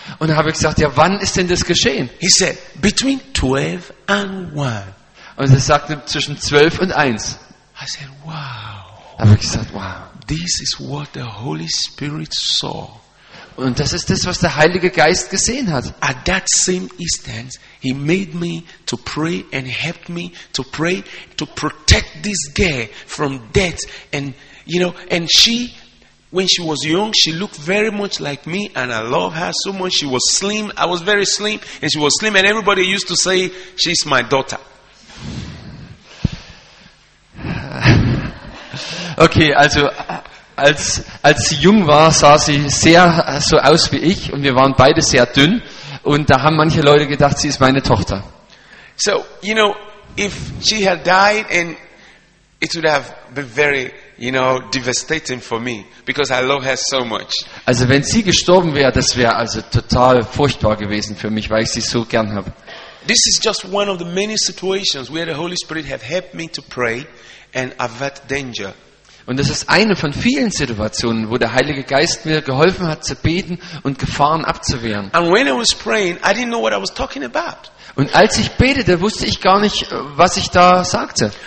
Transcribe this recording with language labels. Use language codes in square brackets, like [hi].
[de] Und da habe ich gesagt, ja, wann ist denn das geschehen? [en] He said, between 12 and 1. [de] Und er sagte, zwischen 12 und 1. [en] I said, wow. [de] Da habe ich gesagt, wow. [en] This is what the Holy Spirit saw. [de] Und das ist das, was der Heilige Geist gesehen hat. [en] At that same instant, he made me to pray and helped me to pray to protect this girl from death. And you know, and she, when she was young, she looked very much like me, and I love her so much. She was slim. I was very slim, and she was slim. And everybody used to say, "She's my daughter." [de] Okay, also. Als sie jung war, sah sie sehr so aus wie ich und wir waren beide sehr dünn und da haben manche Leute gedacht, sie ist meine Tochter. [en] So, you know, if she had died, and it would have been very, you know, devastating for me, because I love her so much. [de] Also wenn sie gestorben wäre, das wäre also total furchtbar gewesen für mich, weil ich sie so gern habe. [en] This is just one of the many situations where the Holy Spirit have helped me to pray and avert danger. [de] Und das ist eine von vielen Situationen, wo der Heilige Geist mir geholfen hat zu beten und Gefahren abzuwehren. [en] And when I was praying, I didn't know what I was talking about. [de] Und als ich betete, wusste ich gar nicht, was ich da sagte.